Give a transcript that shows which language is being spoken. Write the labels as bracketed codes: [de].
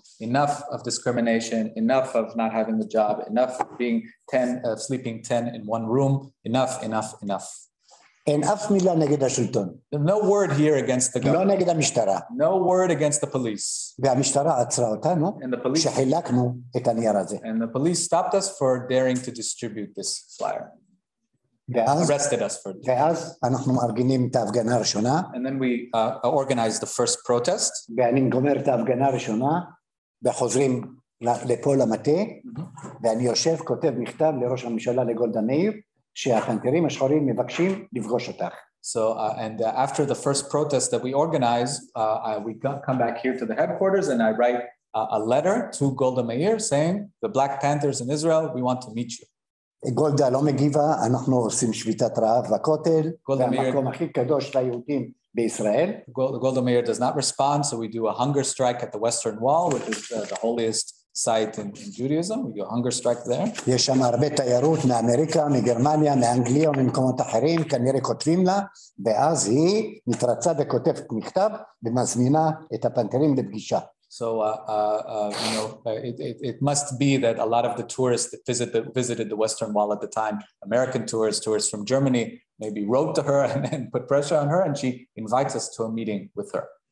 [en] Enough of discrimination, enough of not having the job, enough of being 10 sleeping 10 in one room, enough, enough, enough. [he] אין אף מילה נגד השלטון. [en] No word here against the government. [he] לא נגד המשטרה. [en] No word against the police. [he] והמשטרה עצרה אותנו, שחילקנו את הנייר הזה. [en] And the police stopped us for daring to distribute this flyer. Arrested us for it. [he] ואז אנחנו מארגנים את ההפגנה הראשונה. [en] And then we organized the first protest. [he] ואני גומר את ההפגנה הראשונה, וחוזרים לפה למטה, ואני יושב, כותב מכתב לראש הממשלה לגולדה מאיר, שהפנתרים השחורים מבקשים לפגוש אותך. [en] So after the first protest that we organized, we come back here to the headquarters and I write a letter to Golda Meir saying, the Black Panthers in Israel, we want to meet you. [he] גולדה לא מגיבה, אנחנו עושים שביתת רעב בכותל, והמקום הכי קדוש ליהודים בישראל. [en] Golda Meir does not respond, so we do a hunger strike at the Western Wall, which is the holiest site in Judaism. We go hunger strike there. [he] יש שם הרבה תיירות מאמריקה, מגרמניה, מאנגליה וממקומות אחרים, כנראה כותבים לה, ואז היא מתרצה וכותבת מכתב ומזמינה את הפנתרים לפגישה. [en] So, you know, it must be that a lot of the tourists that visited the Western Wall at the time, American tourists from Germany, maybe wrote to her and put pressure on her, and she invites us to a meeting with her.